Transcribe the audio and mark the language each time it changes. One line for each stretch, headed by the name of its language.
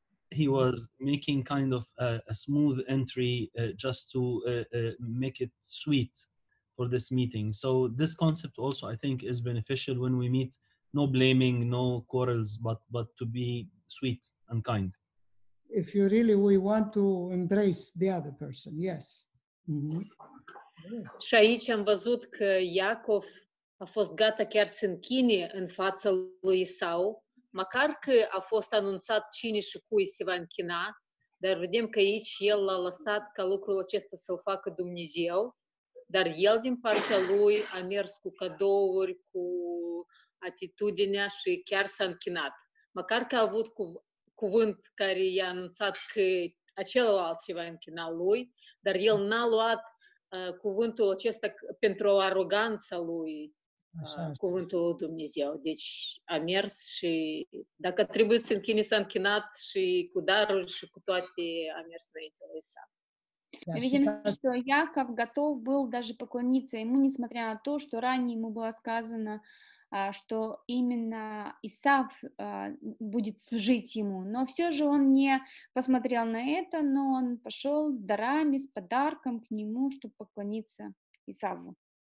English: He was making kind of a smooth entry just to make it sweet for this meeting. So this concept also, I think, is beneficial when we meet, no blaming, no quarrels, but to be sweet and kind. If you really, we want to embrace the other person, yes. Mm-hmm.
Romanian: Și aici am văzut că Iacov a fost gata chiar să închine în fața lui Esau, măcar că a fost anunțat cine și cui se va închina, dar vedem că aici el l-a lăsat ca lucrul acesta să-l facă Dumnezeu, dar el din partea lui a mers cu cadouri, cu atitudinea și chiar s-a închinat. Măcar că a avut cuvânt care i-a anunțat că acelălalt se va închina lui, dar el n-a luat cuvântul acesta pentru aroganța lui, cuvântul lui Dumnezeu. Deci a mers și dacă trebuie să închine, s-a închinat și cu darul și cu toate a mers înainte lui Isa.
Russian: Видим, что Яков готов был даже поклониться ему, несмотря на то, что ранее ему было сказано, что именно Исав будет служить ему. Но все же он не посмотрел на это, но он пошел с дарами, с подарком к нему, чтобы поклониться Исаву.